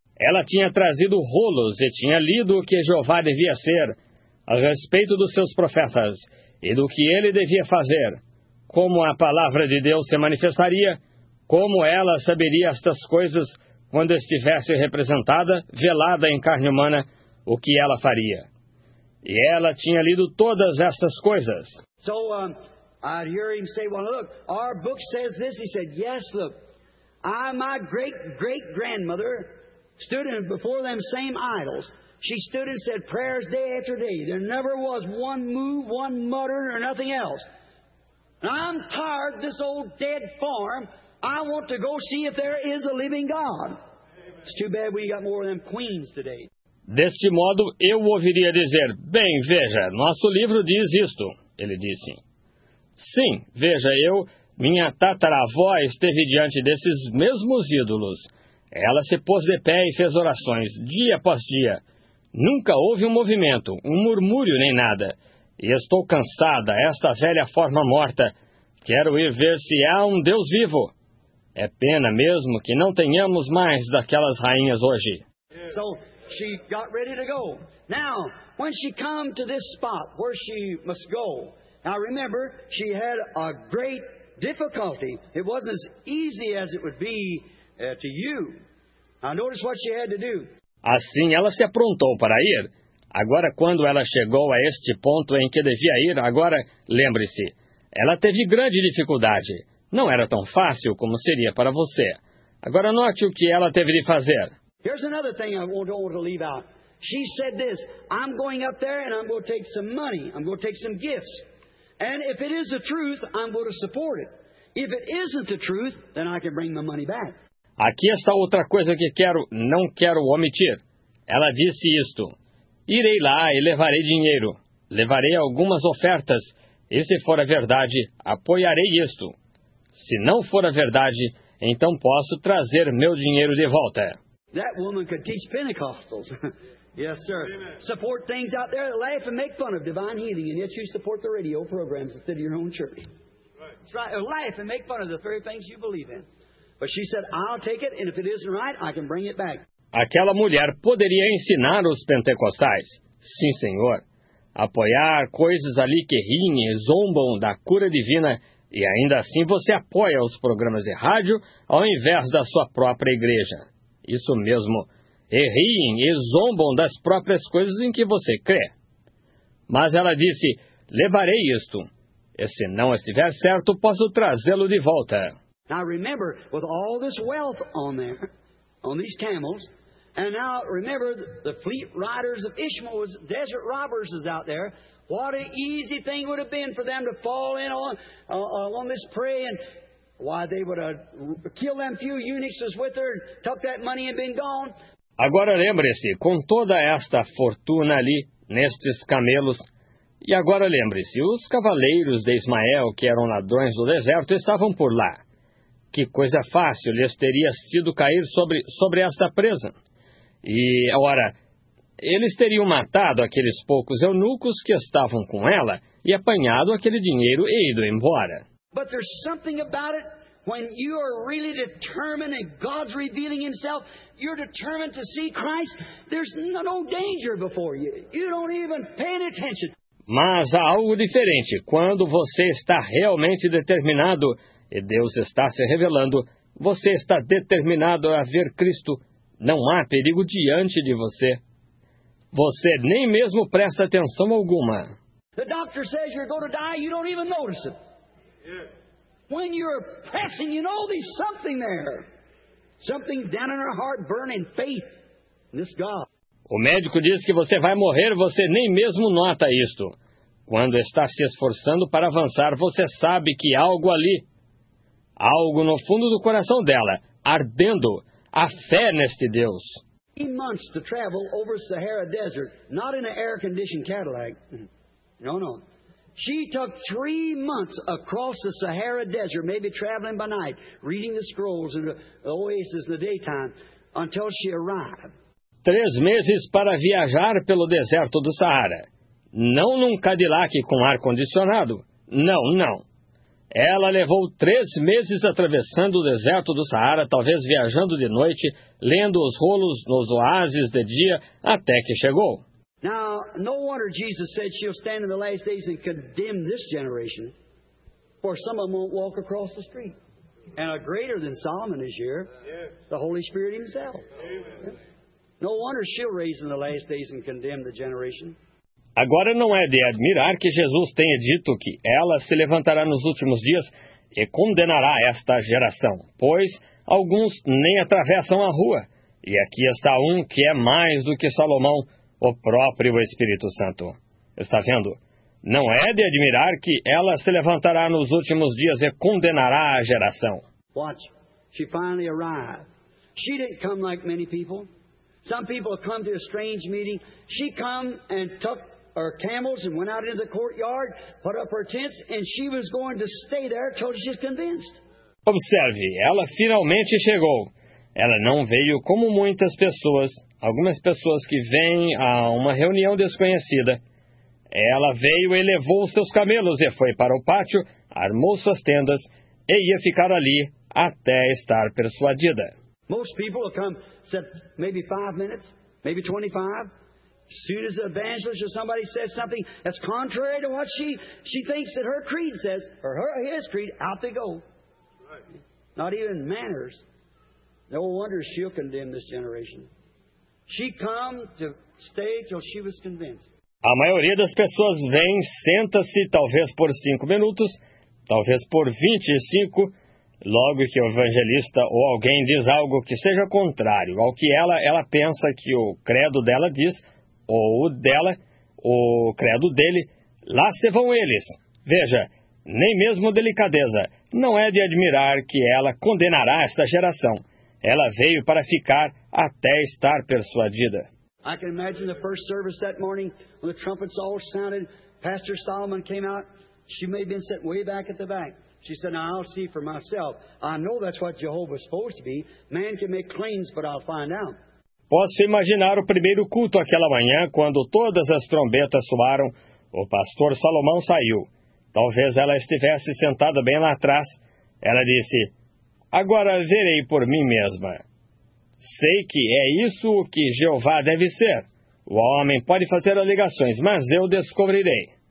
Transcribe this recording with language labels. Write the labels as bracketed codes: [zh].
[pt] Ela tinha trazido rolos e tinha lido o que Jeová devia ser a respeito dos seus profetas e do que ele devia fazer, como a palavra de Deus se manifestaria, como ela saberia estas coisas quando estivesse representada, velada em carne humana, o que ela faria. E ela tinha lido todas estas coisas. [en] So, I'd hear him say, well, look, our book says this. He said, yes, look, my great-great-grandmother stood before them same idols. She stood and said prayers day after day. There never was one move, one mutter, or nothing else. Now, I'm tired of this old dead farm. I want to go see if there is a living God. It's too bad we got more of them queens today. [pt] Deste modo, eu ouviria dizer, bem, veja, nosso livro diz isto, ele disse. Sim, veja, minha tataravó esteve diante desses mesmos ídolos. Ela se pôs de pé e fez orações, dia após dia. Nunca houve um movimento, um murmúrio, nem nada. E estou cansada, esta velha forma morta. Quero ir ver se há um Deus vivo. É pena mesmo que não tenhamos mais daquelas rainhas hoje. [en] So she got ready to go. Now, when she come to this spot where she must go, now remember, she had a great difficulty. It wasn't as easy as it would be to you. Now notice what she had to do. [pt] Assim ela se aprontou para ir. Agora, quando ela chegou a este ponto em que devia ir, agora, lembre-se, ela teve grande dificuldade. Não era tão fácil como seria para você. Agora, note o que ela teve de fazer. [en] Here's another thing I don't want to leave out. She said this, I'm going up there and I'm going to take some money. I'm going to take some gifts. And if it is the truth, I'm going to support it. If it isn't the truth, then I can bring the money back. [pt] Aqui está outra coisa que não quero omitir. Ela disse isto. Irei lá e levarei dinheiro. Levarei algumas ofertas. E se for a verdade, apoiarei isto. Se não for a verdade, então posso trazer meu dinheiro de volta. [en] That woman could teach Pentecostals. Yes, sir. Support things out there that laugh and make fun of divine healing, and yet you support the radio programs instead of your own church. Right. Try, laugh and make fun of the very things you believe in. But she said, I'll take it, and if it isn't right, I can bring it back. [pt] Aquela mulher poderia ensinar os pentecostais, sim, senhor, apoiar coisas ali que riem e zombam da cura divina, e ainda assim você apoia os programas de rádio ao invés da sua própria igreja. Isso mesmo, e riem e zombam das próprias coisas em que você crê. Mas ela disse, levarei isto, e se não estiver certo, posso trazê-lo de volta. [en] Now remember, with all this wealth on there, on these camels, and now remember the fleet riders of Ishmael, was desert robbers is out there. What an easy thing would have been for them to fall in on this prey, and why they would have killed them few eunuchs was with her, took that money and been gone. [pt] Agora lembre-se, com toda esta fortuna ali nestes camelos, e agora lembre-se, os cavaleiros de Ismael que eram ladrões do deserto estavam por lá. Que coisa fácil lhes teria sido cair sobre esta presa. E, ora, eles teriam matado aqueles poucos eunucos que estavam com ela e apanhado aquele dinheiro e ido embora. [en] But there's something about it, when you are really determined and God's revealing himself, you're determined to see Christ, there's no danger before you. You don't even pay any attention. [pt] Mas há algo diferente. Quando você está realmente determinado e Deus está se revelando, você está determinado a ver Cristo. Não há perigo diante de você. Você nem mesmo presta atenção alguma. [en] The doctor says you're going to die, you don't even notice it. When you're pressing, you know there's something there. Something down in our heart burning faith in this God. [pt] O médico diz que você vai morrer, você nem mesmo nota isto. Quando está se esforçando para avançar, você sabe que há algo ali. Algo no fundo do coração dela, ardendo, a fé neste Deus. [en] Months to travel over Sahara Desert, not in an air-conditioned Cadillac. No, no. She took 3 months across the Sahara Desert, maybe traveling by night, reading the scrolls and the oases in the daytime, until she arrived. [pt] 3 meses para viajar pelo deserto do Saara. Não num Cadillac com ar-condicionado. Não, não. Ela levou 3 meses atravessando o deserto do Saara, talvez viajando de noite, lendo os rolos nos oásis de dia, até que chegou. [en] Now, no wonder Jesus said she'll stand in the last days and condemn this generation, for some of them won't walk across the street. And a greater than Solomon is here, the Holy Spirit himself. No wonder she'll raise in the last days and condemn the generation. [pt] Agora não é de admirar que Jesus tenha dito que ela se levantará nos últimos dias e condenará esta geração, pois alguns nem atravessam a rua. E aqui está um que é mais do que Salomão, o próprio Espírito Santo. Está vendo? Não é de admirar que ela se levantará nos últimos dias e condenará a geração. [en] Watch. She finally arrived. She didn't come like many people. Some people come to a strange meeting. She come and took her camels and went out into the courtyard, put up her tents, and she was going to stay there till she was convinced. [pt] Observe, ela finalmente chegou. Ela não veio como muitas pessoas, algumas pessoas que vêm a uma reunião desconhecida. Ela veio e levou seus camelos e foi para o pátio, armou suas tendas e ia ficar ali até estar persuadida. [en] Most people will come, say, maybe 5 minutes, maybe 25. As soon as the evangelist or somebody says something that's contrary to what she thinks that her creed says, or his creed, out they go. Right. Not even manners. No wonder she'll condemn this generation. She come to stay till she was convinced. [pt] A maioria das pessoas vem, senta-se, talvez por 5 minutos, talvez por 25, logo que o evangelista ou alguém diz algo que seja contrário ao que ela pensa que o credo dela diz, ou o dela, o credo dele, lá se vão eles. Veja, nem mesmo delicadeza. Não é de admirar que ela condenará esta geração. Ela veio para ficar até estar persuadida. [en] I can imagine the first service that morning when the trumpets all sounded, Pastor Solomon came out. She may have been sitting way back at the back. She said, now I'll see for myself. I know that's what Jehovah's supposed to be. Man can make claims, but I'll find out. [pt] Posso imaginar o primeiro culto aquela manhã, quando todas as trombetas soaram, o pastor Salomão saiu. Talvez ela estivesse sentada bem lá atrás. Ela disse, agora verei por mim mesma. Sei que é isso o que Jeová deve ser. O homem pode fazer alegações, mas eu descobrirei.